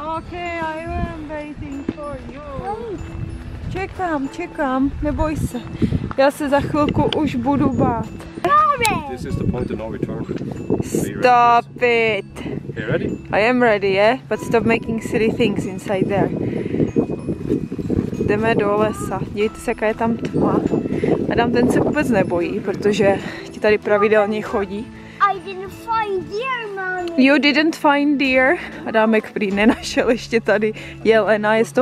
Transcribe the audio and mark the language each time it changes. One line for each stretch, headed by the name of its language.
English: Okay, I am waiting for you. Wait.
Czech: Čekám, čekám, neboj se. Já se za chvilku už budu bát.
English: This is the point of no return. Stop it. Are you ready? I am ready, yeah? But stop making silly things inside there.
Czech: Jdeme do lesa. Dívejte se, jaká je tam tma. Adam, ten se vůbec nebojí, protože ti tady pravidelně chodí.
English: I didn't find deer, mommy. You didn't find deer?
Czech: Adamek prý nenašel ještě tady jelena.